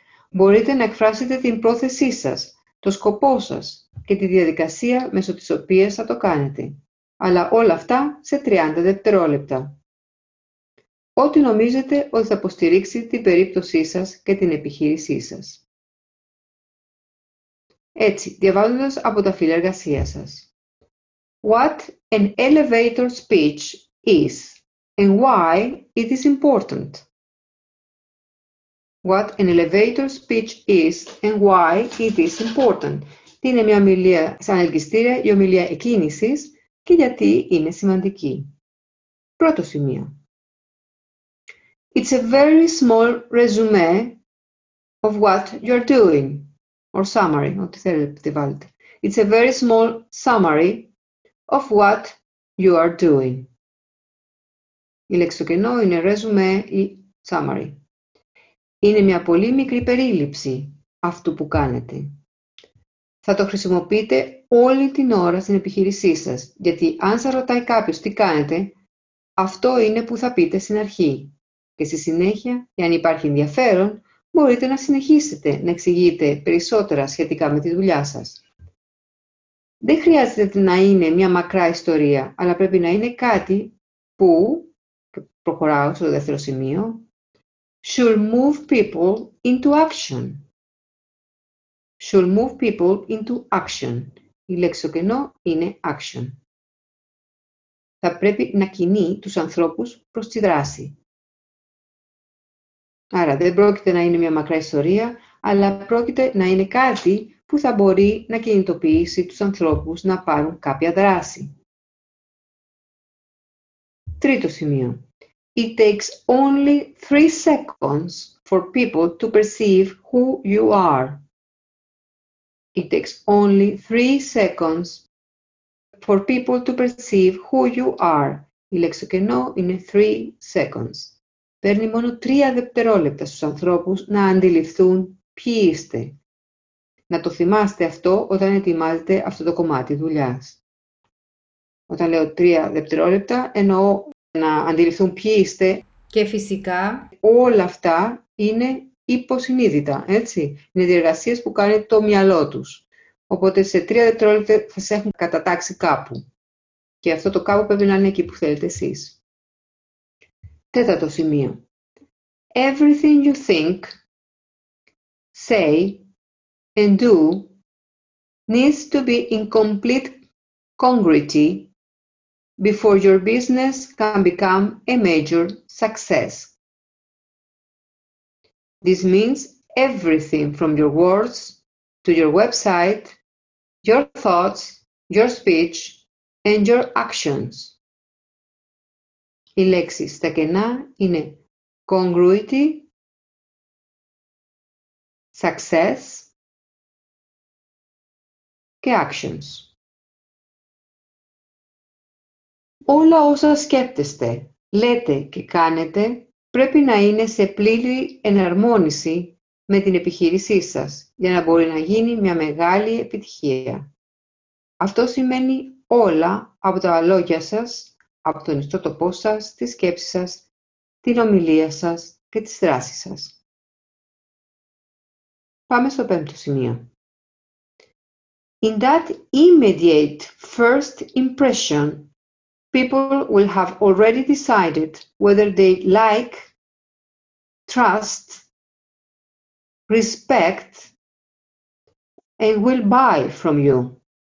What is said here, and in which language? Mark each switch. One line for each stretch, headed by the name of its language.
Greek: Μπορείτε να εκφράσετε την πρόθεσή σας, το σκοπό σας και τη διαδικασία μέσω της οποίας θα το κάνετε. Αλλά όλα αυτά σε 30 δευτερόλεπτα. Ό,τι νομίζετε ότι θα υποστηρίξει την περίπτωσή σας και την επιχείρησή σας. Έτσι, διαβάζοντας από τα φύλλα εργασίας σας.
English: What an elevator speech is and why it is important. What an elevator speech is and why it is important.
Greek: Τι είναι μια ομιλία σαν ελκυστήρια, η ομιλία εκκίνησης και γιατί είναι σημαντική. Πρώτο σημείο.
English: It's a very small resume of what you're doing. Or summary,
Greek: ό,τι θέλετε που τη βάλετε.
English: It's a very small summary of what you are doing.
Greek: Η λέξη στο κενό είναι resume ή summary. Είναι μια πολύ μικρή περίληψη αυτού που κάνετε. Θα το χρησιμοποιείτε όλη την ώρα στην επιχείρησή σας, γιατί αν σας ρωτάει κάποιος τι κάνετε, αυτό είναι που θα πείτε στην αρχή. Και στη συνέχεια, εάν υπάρχει ενδιαφέρον, μπορείτε να συνεχίσετε να εξηγείτε περισσότερα σχετικά με τη δουλειά σας. Δεν χρειάζεται να είναι μια μακρά ιστορία, αλλά πρέπει να είναι κάτι που, προχωράω στο δεύτερο σημείο,
English: should move people into action. Should move people into action.
Greek: Η λέξη κενό είναι
English: action.
Greek: Θα πρέπει να κινεί τους ανθρώπους προς τη δράση. Άρα δεν πρόκειται να είναι μια μακρά ιστορία, αλλά πρόκειται να είναι κάτι που θα μπορεί να κινητοποιήσει τους ανθρώπους να πάρουν κάποια δράση. Τρίτο σημείο.
English: It takes only 3 seconds for people to perceive who you are. It takes only 3 seconds for people to perceive who you are.
Greek: Η λέξη κενό είναι 3 seconds. Παίρνει μόνο 3 δευτερόλεπτα στους ανθρώπους να αντιληφθούν ποιοι είστε. Να το θυμάστε αυτό όταν ετοιμάζετε αυτό το κομμάτι δουλειάς. Όταν λέω 3 δευτερόλεπτα, εννοώ να αντιληφθούν ποιοι είστε. Και φυσικά όλα αυτά είναι υποσυνείδητα, έτσι. Είναι διεργασίες που κάνει το μυαλό τους. Οπότε σε 3 δευτερόλεπτα θα σε έχουν κατατάξει κάπου. Και αυτό το κάπου πρέπει να είναι εκεί που θέλετε εσείς. Τέταρτο σημείο.
English: Everything you think, say, and do needs to be in complete congruity before your business can become a major success. This means everything from your words to your website, your thoughts, your speech, and your actions.
Greek: Η λέξη στεκενά είναι congruity, success και actions. Όλα όσα σκέπτεστε, λέτε και κάνετε πρέπει να είναι σε πλήρη εναρμόνιση με την επιχείρησή σας για να μπορεί να γίνει μια μεγάλη επιτυχία. Αυτό σημαίνει όλα από τα λόγια σας, από τον ιστότοπό σας, τη σκέψη σας, την ομιλία σας και τις δράσεις σας. Πάμε στο πέμπτο σημείο.
English: In that immediate first impression, people will have already decided whether they like, trust, respect, and will buy from you.